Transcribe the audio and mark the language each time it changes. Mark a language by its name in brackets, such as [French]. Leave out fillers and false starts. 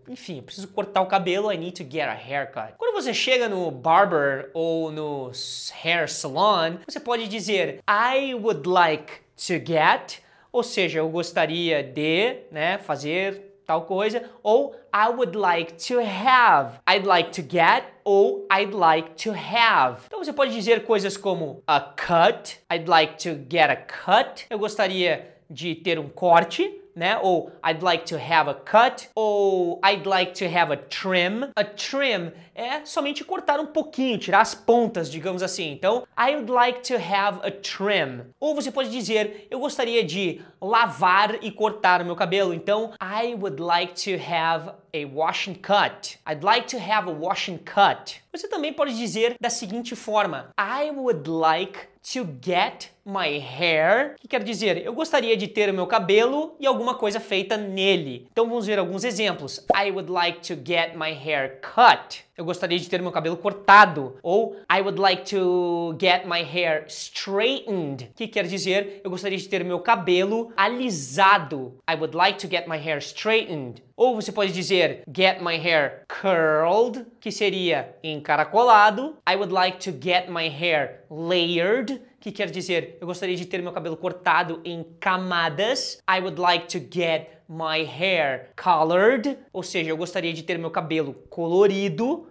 [Portuguese] Enfim, eu preciso cortar o cabelo, [English] I need to get a haircut. [Portuguese] Quando você chega no barber ou no hair salon, você pode dizer [English] I would like to get, [Portuguese] ou seja, eu gostaria de, né, fazer tal coisa, ou [English] I would like to have. I'd like to get [Portuguese] ou [English] I'd like to have. [Portuguese] Então você pode dizer coisas como [English] a cut, I'd like to get a cut. [Portuguese] Eu gostaria de ter um corte, né? Ou [English] I'd like to have a cut, [Portuguese] ou [English] I'd like to have a trim. A trim [Portuguese] é somente cortar um pouquinho, tirar as pontas, digamos assim. Então, [English] I'd like to have a trim. [Portuguese] Ou você pode dizer, eu gostaria de lavar e cortar o meu cabelo. [English] Então, I would like to have a wash and cut. I'd like to have a wash and cut. [Portuguese] Você também pode dizer da seguinte forma, [English] I would like to get my hair, [Portuguese] que quer dizer, eu gostaria de ter o meu cabelo e alguma coisa feita nele. Então vamos ver alguns exemplos. [English] I would like to get my hair cut. [Portuguese] Eu gostaria de ter meu cabelo cortado. Ou [English] I would like to get my hair straightened, [Portuguese] que quer dizer, eu gostaria de ter meu cabelo alisado. [English] I would like to get my hair straightened. [Portuguese] Ou você pode dizer [English] get my hair curled, [Portuguese] que seria encaracolado. [English] I would like to get my hair layered, [Portuguese] que quer dizer, eu gostaria de ter meu cabelo cortado em camadas. [English] I would like to get my hair colored, [Portuguese] ou seja, eu gostaria de ter meu cabelo colorido.